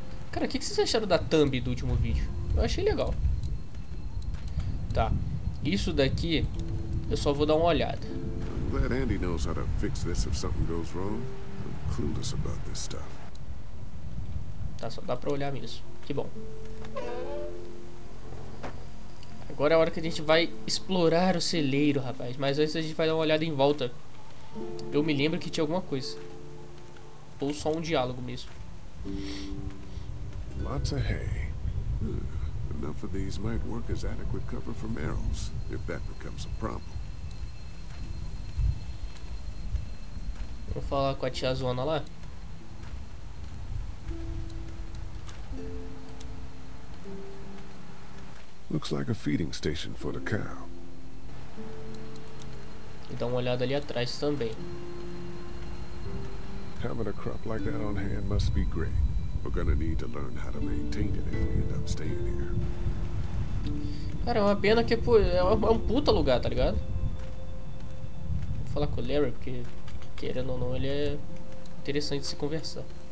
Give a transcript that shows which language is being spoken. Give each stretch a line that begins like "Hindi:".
Portuguese: Cara, o que vocês acharam da thumb do último vídeo? Eu achei legal. Tá. Isso daqui, eu só vou dar uma olhada.
English: I'm glad Andy knows how to fix this if something goes wrong. I'm clueless about this stuff.
Portuguese: Tá, só dá pra olhar mesmo. Que bom. Agora é a hora que a gente vai explorar o celeiro, rapaz. Mas antes a gente vai dar uma olhada em volta. Eu me lembro que tinha alguma coisa. Ou só um diálogo mesmo.
English: Lots of hay. Enough of these might work as adequate cover from arrows, if that becomes a problem.
Portuguese: Vou falar com a tia Zona lá.
English: Looks like a feeding station for the cow.
Portuguese: E dá uma olhada ali atrás também.
English: Having a crop like that on hand must be great. We're gonna need to learn how to maintain it if we end up staying here.
Portuguese: Cara, é uma pena que é um puta lugar, tá ligado? Vou falar com o Larry porque, querendo ou não, ele é interessante se conversar.